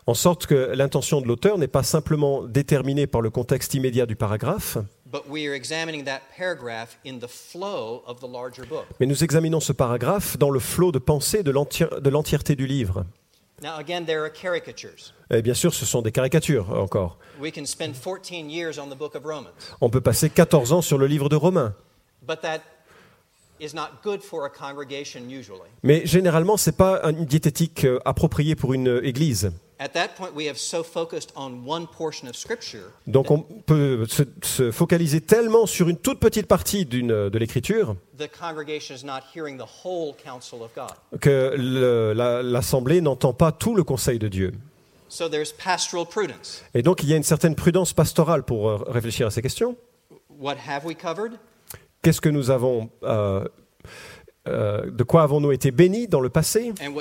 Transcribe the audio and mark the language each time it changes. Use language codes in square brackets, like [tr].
[fr] En sorte que l'intention de l'auteur n'est pas simplement déterminée par le contexte immédiat du paragraphe. [en] But we are examining that paragraph in the flow of the larger book. [fr] Mais nous examinons ce paragraphe dans le flot de pensée de l'entièreté du livre. [en] Now again, there are caricatures. [fr] Et bien sûr, ce sont des caricatures encore. [en] We can spend 14 years on the book of Romans. [fr] On peut passer 14 ans sur le livre de Romains. [en] But that is not good for a congregation usually. [fr] Mais généralement, c'est pas une diététique appropriée pour une église. [en] At that point, we have so focused on one portion of scripture. [fr] Donc on peut se focaliser tellement sur une toute petite partie de l'écriture. [en] The congregation is not hearing the whole counsel of God. [fr] Que l'assemblée n'entend pas tout le conseil de Dieu. [en] So there's pastoral prudence. [fr] Et donc il y a une certaine prudence pastorale pour réfléchir à ces questions. [en] What have we covered? [fr] Qu'est-ce que nous avons, de quoi avons-nous été bénis dans le passé?